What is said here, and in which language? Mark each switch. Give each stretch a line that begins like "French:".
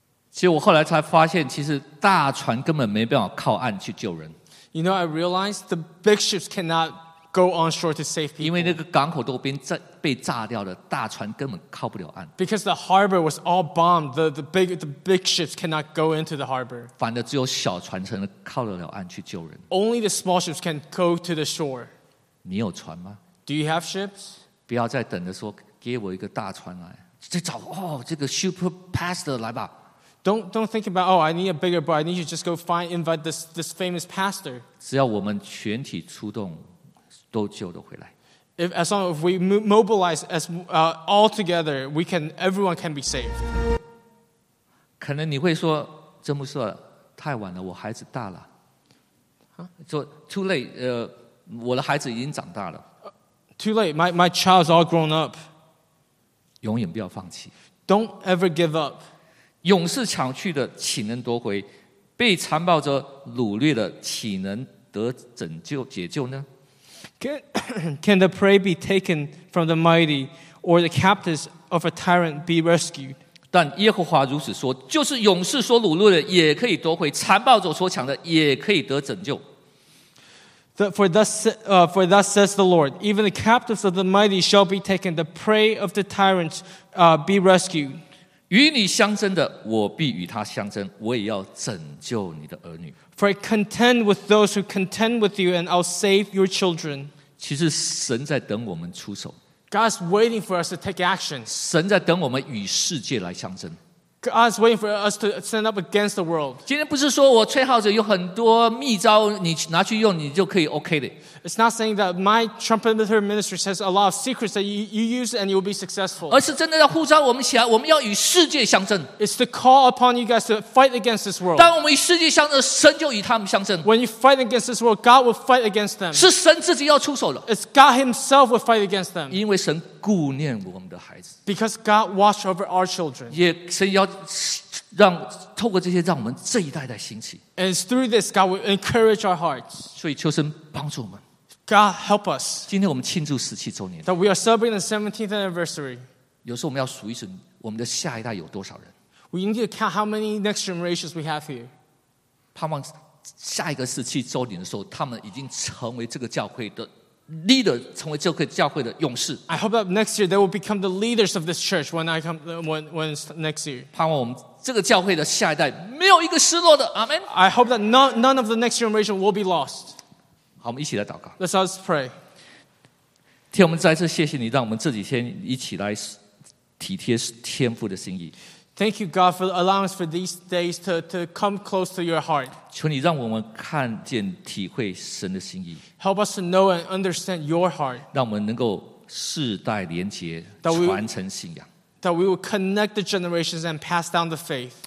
Chinese: 其实我后来才发现，其实大船根本没办法靠岸去救人。
English: You know, I realized the big ships cannot go on shore to save people.
Chinese: 因为那个港口都被炸掉了，大船根本靠不了岸。
English: Because the harbor was all bombed, the big ships cannot go into the harbor.
Chinese: 反正只有小船才能靠得了岸去救人。
English: Only the small ships can go to the shore.
Chinese: 你有船吗
English: ？Do you have ships?
Chinese: 不要再等着说给我一个大船来，再找哦这个
English: super pastor
Chinese: 来吧。
English: Don't think about, oh, I need a bigger boat. I need you to just go find, invite this famous pastor.
Chinese: 只要我们全体出动，都救得回来。
English: If, as long as we mobilize as, all together, we can, everyone can be saved.
Chinese: 可能你会说，詹姆斯，太晚了，我孩子大了。说、
English: too late,
Chinese: 我的孩子已经长大了。
English: Too late, my child's all grown up.
Chinese: 永远不要放弃。
English: Don't ever give up.
Chinese: 勇士抢去的岂能夺回？被残暴者掳掠的岂能得拯救解救呢？
English: Can the prey be taken from the mighty, or the captives of a tyrant be rescued?
Chinese: 但耶和华如此说，就是勇士所掳掠的也可以夺回，残暴者所抢的也可以得拯救。
English: For thus says the Lord, even the captives of the mighty shall be taken, the prey of the tyrants be rescued.
Chinese: 与你相争的，我必与他相争，我也要拯救你的儿女。
English: For I contend with those who contend with you, and I'll save your children.
Chinese: 其实神在等我们出手。
English: God's waiting for us to take action.
Chinese: 神在等我们与世界来相争。
English: God's waiting for us to stand up against the world.
Chinese: 今天不是说我吹号子有很多秘招，你拿去用，你就可以 OK 的。
English: It's not saying that my trumpeter ministry has a lot of secrets that you use and you will be successful.
Chinese: 而是真的要呼召我们起来，我们要与世界相争。
English: It's to call upon you guys to fight against this world.
Chinese: 当我们与世界相争，神就与他们相争。
English: When you fight against this world, God will fight against them.
Chinese: 是神自己要出手了。
English: It's God Himself will fight against them.
Chinese: 因为神顾念我们的孩子。
English: Because God watched over our children.
Chinese: 也神要让透过这些，让我们这一代代兴起。
English: And through this, God will encourage our hearts.
Chinese: 所以求神帮助我们。
English: God help us.
Chinese: 今天我们庆祝十七周年。
English: That we are celebrating the 17th anniversary.
Chinese: 有时候我们要数一数我们的下一代有多少人。
English: We need to count how many next generations we have here.
Chinese: 盼望下一个十七周年的时候，他们已经成为这个教会的 leader， 成为这个教会的勇士。
English: I hope that next year they will become the leaders of this church when I come when next year.
Chinese: 盼望我们这个教会的下一代没有一个失落的， Amen.
English: I hope that none of the next generation will be lost.
Chinese: 好，我们一起来祷告。
English: Let's us pray.
Chinese: 天，我们再次谢谢你，让我们这几天一起来体贴天父的心意。
English: Thank you, God, for allowing us for these days to come close to your heart.
Chinese: 求你让我们看见体会神的心意。
English: Help us to know and understand your heart.
Chinese: 让我们能够世代连结，传承信仰。
English: That we will connect the generations and pass down the faith.